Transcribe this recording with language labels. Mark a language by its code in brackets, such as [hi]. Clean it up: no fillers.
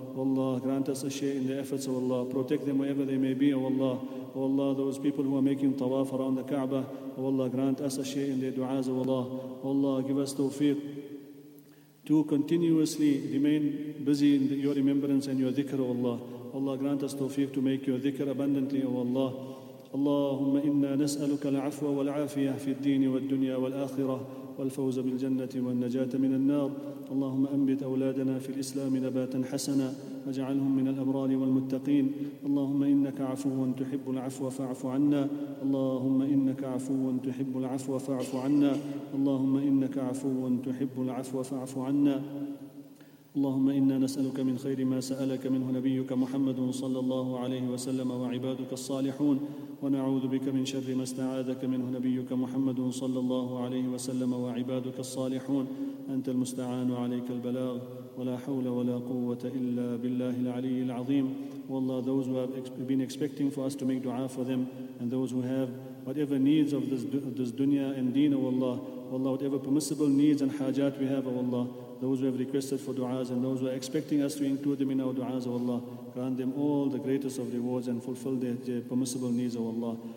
[en] O Allah, grant us a share in their efforts, O Allah. Protect them wherever they may be, O Allah. O Allah, those people who are making tawaf around the Kaaba, O Allah, grant us a share in their du'as, O Allah. O Allah, give us tawfiq to continuously remain busy in your remembrance and your dhikr, O Allah. O Allah, grant us tawfiq to make your dhikr abundantly, O Allah. [ar] اللهم إنا نسألك العفو والعافية في الدين والدنيا والآخرة والفوز بالجنة والنجاة من النار. اللهم أنبت أولادنا في الإسلام نباتا حسنا واجعلهم من الأبرار والمتقين. اللهم إنك عفو تحب العفو فاعف عنا. اللهم إنك عفو تحب العفو فاعف عنا. اللهم إنك عفو تحب العفو فاعف عنا. اللهم إنا نسألك من خير ما سألك منه نبيك محمد صلى الله عليه وسلم وعبادك الصالحون, ونعوذ بك من شر ما استعاذك منه نبيك محمد صلى الله عليه وسلم وعبادك الصالحون. أنت المستعان وعليك البلاغ, ولا حول ولا قوة إلا بالله العلي العظيم. [en] والله, those who have been expecting for us to make dua for them and those who have whatever needs of this dunya and deen, والله, والله, whatever permissible needs and hajat we have, والله, those who have requested for du'as and those who are expecting us to include them in our du'as, O Allah, grant them all the greatest of rewards and fulfill their permissible needs, O Allah.